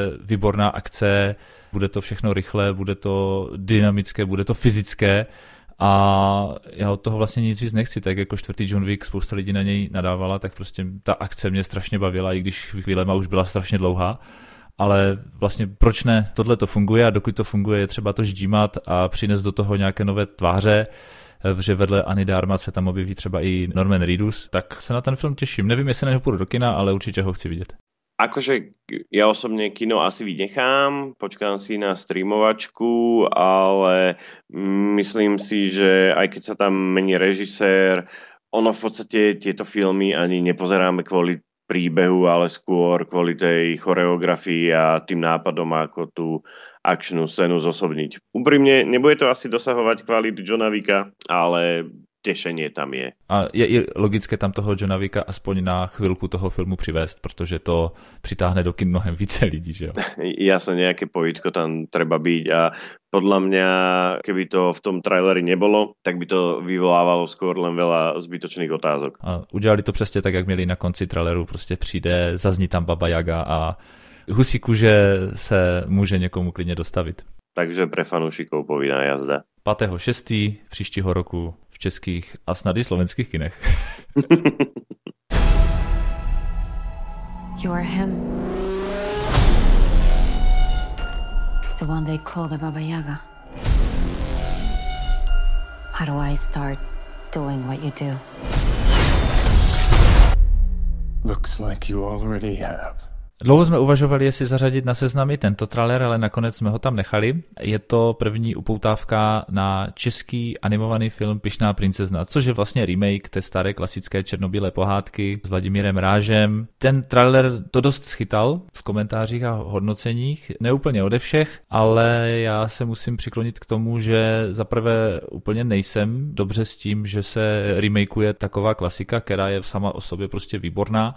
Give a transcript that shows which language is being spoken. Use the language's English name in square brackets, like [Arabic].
[Czech] výborná akce, bude to všechno rychlé, bude to dynamické, bude to fyzické a já od toho vlastně nic víc nechci, tak jako čtvrtý John Wick, spousta lidí na něj nadávala, tak prostě ta akce mě strašně bavila, i když chvílema už byla strašně dlouhá. Ale vlastně proč ne? Tohle to funguje a dokud to funguje, je třeba to ždímat a přinést do toho nějaké nové tváře, že vedle Ani Darma se tam objeví třeba i Norman Reedus, tak se na ten film těším. Nevím, jestli na něho půjdu do kina, ale určitě ho chci vidět. [Slovak] Akože ja osobne kino asi vynechám, počkám si na streamovačku, ale myslím si, že aj keď sa tam mení režisér, ono v podstate tieto filmy ani nepozeráme kvôli príbehu, ale skôr kvôli tej choreografii a tým nápadom, ako tú akčnú scénu zosobniť. Úprimne, nebude to asi dosahovať kvality Johna Wicka, ale tešenie tam je. [Czech] A je i logické tam toho Johna Wicka [Slovak] aspoň na chvíľku toho filmu privést, pretože [Czech] to přitáhne do kin mnohem více lidí, že jo? [Slovak] Jasne, nejaké pojitko tam treba byť a podľa mňa, keby to v tom traileri nebolo, tak by to vyvolávalo skôr len veľa zbytočných otázok. A udiali to presne tak, jak mieli na konci traileru, proste přijde, zazní tam Baba Yaga a husí kuže se môže niekomu klidne dostaviť. Takže pre fanúšikov povinná jazda. [Czech] 5.6. příštího roku v českých a snad i slovenských kinech. [English] You're him. The one they call the Baba Yaga. How do I start doing what you do? Looks like you already have. [Czech] Dlouho jsme uvažovali, jestli zařadit na seznamy tento trailer, ale nakonec jsme ho tam nechali. Je to první upoutávka na český animovaný film Pyšná princezna, což je vlastně remake té staré klasické černobílé pohádky s Vladimírem Rážem. Ten trailer to dost schytal v komentářích a hodnoceních, neúplně ode všech, ale já se musím přiklonit k tomu, že zaprvé úplně nejsem dobře s tím, že se remakeuje taková klasika, která je sama o sobě prostě výborná.